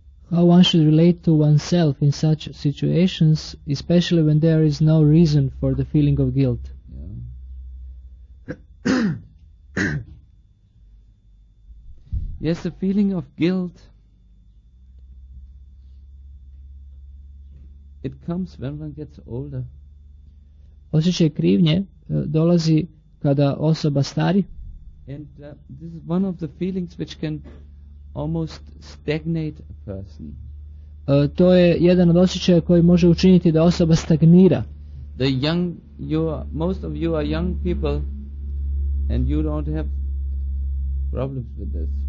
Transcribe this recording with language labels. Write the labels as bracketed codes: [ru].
[en] How one should relate to oneself in such situations, especially when there is no reason for the feeling of guilt. Yeah. Yes, the feeling of guilt, it comes when one gets older. [hr] Osjećaj krivnje dolazi kada osoba stari. [en] And this is one of the feelings which can almost stagnate a person. [hr] To je jedan od osjećaja koji može učiniti da osoba stagnira. [en] The young, you are, most of you are young people and you don't have problems with this.